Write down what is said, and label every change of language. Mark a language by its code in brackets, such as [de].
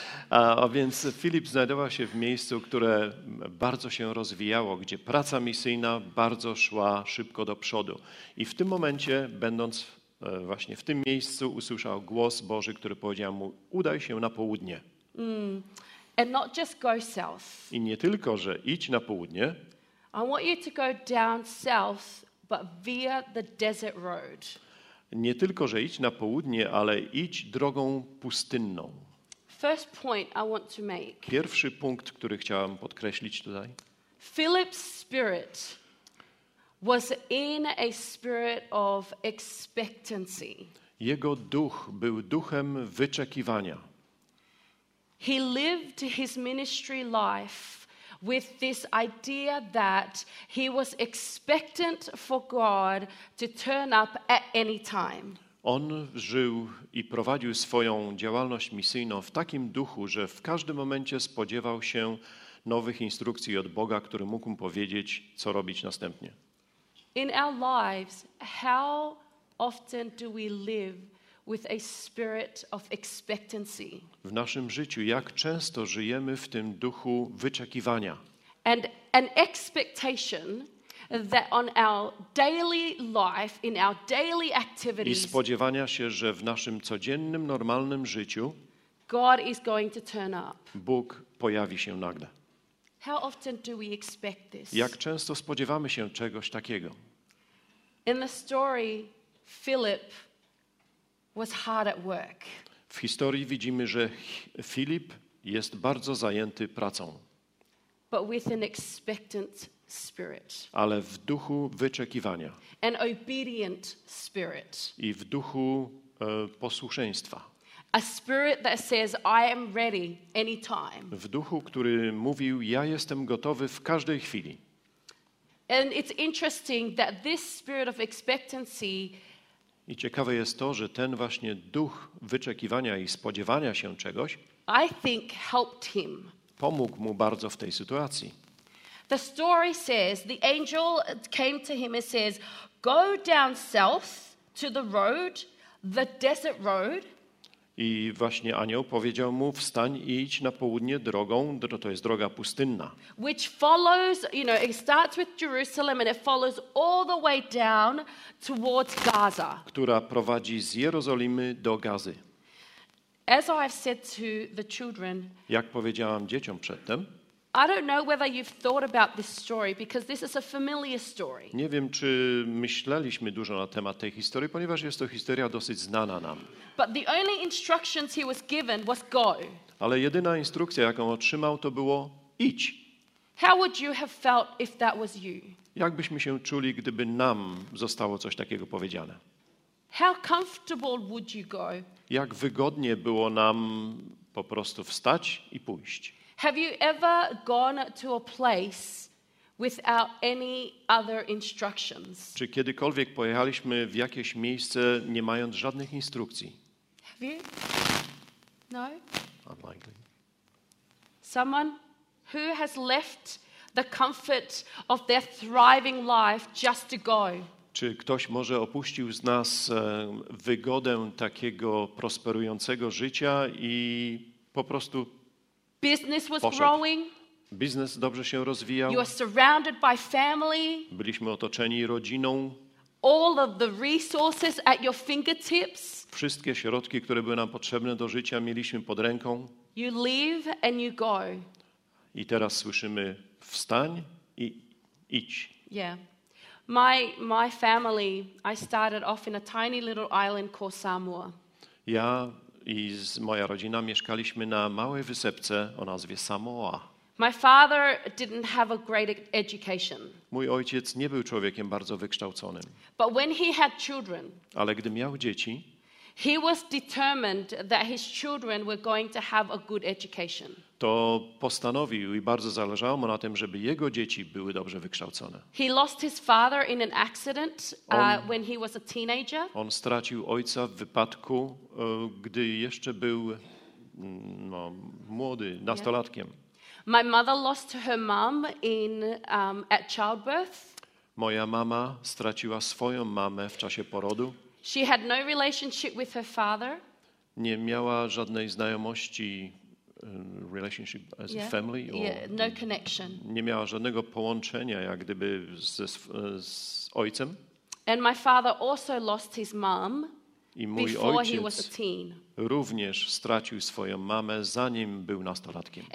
[pl] A więc Filip znajdował się w miejscu, które bardzo się rozwijało, gdzie praca misyjna bardzo szła szybko do przodu. I w tym momencie, będąc właśnie w tym miejscu, usłyszał głos Boży, który powiedział mu: udaj się na południe. [en] And not just go south. [pl] I nie tylko, że idź na południe. [en] I want you to go down south, but via the desert road. [pl] Nie tylko, że idź na południe, ale idź drogą pustynną. [en] First point I want to make. [pl] Pierwszy punkt, który chciałem podkreślić tutaj. [en] Philip's spirit was in a spirit of expectancy. [pl] Jego duch był duchem wyczekiwania. [en] He lived his ministry life with this idea that he was expectant for God to turn up at any time. [pl] On żył i prowadził swoją działalność misyjną w takim duchu, że w każdym momencie spodziewał się nowych instrukcji od Boga, który mógł mu powiedzieć, co robić następnie. [en] In our lives, how often do we live with a spirit of expectancy? [pl] W naszym życiu jak często żyjemy w tym duchu wyczekiwania? [en] And an expectation that on our daily life, in our daily activities, [pl] i spodziewania się, że w naszym codziennym, normalnym życiu [en] God is going to turn up. [pl] Bóg pojawi się nagle. [en] How often do we expect this? [pl] Jak często spodziewamy się czegoś takiego? [en] In the story, Philip was hard at work. [pl] W historii widzimy, że Filip jest bardzo zajęty pracą. [en] But with an expectant spirit. [pl] Ale w duchu wyczekiwania. [en] An obedient spirit. [pl] I w duchu posłuszeństwa. [en] A spirit that says I am ready anytime. [pl] W duchu, który mówił: ja jestem gotowy w każdej chwili. [en] And it's interesting that this spirit of expectancy. [pl] I ciekawe jest to, że ten właśnie duch wyczekiwania i spodziewania się czegoś, [en] I think helped him. [pl] Pomógł mu bardzo w tej sytuacji. [en] The story says the angel came to him and says, "Go down south to the road, the desert road." [pl] I właśnie anioł powiedział mu: wstań i idź na południe drogą, to jest droga pustynna. [en] Which follows, you know, it starts with Jerusalem and it follows all the way down towards Gaza. [pl] Która prowadzi z Jerozolimy do Gazy. [en] As I've said to the children, [pl] jak powiedziałam dzieciom przedtem, [en] I don't know whether you've thought about this story because this is a familiar story. [pl] Nie wiem, czy myśleliśmy dużo na temat tej historii, ponieważ jest to historia dosyć znana nam. [en] But the only instructions he was given was go. [pl] Ale jedyna instrukcja, jaką otrzymał, to było: idź. [en] How would you have felt if that was you? [pl] Jak byśmy się czuli, gdyby nam zostało coś takiego powiedziane? [en] How comfortable would you go? [pl] Jak wygodnie było nam po prostu wstać i pójść? [en] Have you ever gone to a place without any other instructions? [pl] Czy kiedykolwiek pojechaliśmy w jakieś miejsce nie mając żadnych instrukcji? [en] Have you? No. Unlikely. Someone who has left the comfort of their thriving life just to go. [pl] Czy ktoś może opuścił z nas wygodę takiego prosperującego życia i po prostu [en] business was growing. [pl] Biznes dobrze się rozwijał. [en] You are surrounded by family. [pl] Byliśmy otoczeni rodziną. [en] All of the resources at your fingertips. [pl] Wszystkie środki, które były nam potrzebne do życia, mieliśmy pod ręką. [en] You leave and you go. [pl] I teraz słyszymy: wstań i idź. [en] Yeah. My family, I started off in a tiny little island called Samoa. [pl] Ja i moja rodzina mieszkaliśmy na małej wysepce o nazwie Samoa. [en] My father didn't have a great education. [pl] Mój ojciec nie był człowiekiem bardzo wykształconym. [en] But when he had children, [pl] ale gdy miał dzieci, [en] he was determined that his children were going to have a good education. [pl] To postanowił i bardzo zależało mu na tym, żeby jego dzieci były dobrze wykształcone. [en] He lost his father in an accident when he was a teenager. [pl] On stracił ojca w wypadku, gdy jeszcze był młody, nastolatkiem. [en] My mother lost her mom at childbirth. [pl] Moja mama straciła swoją mamę w czasie porodu. [en] She had no relationship with her father. [pl] Nie miała żadnej znajomości, [en] relationship as a family. Yeah, no connection. [pl] Nie miała żadnego połączenia, jak gdyby z ojcem. [en] And my father also lost his mom. [pl] I mój ojciec również stracił swoją mamę, zanim był nastolatkiem.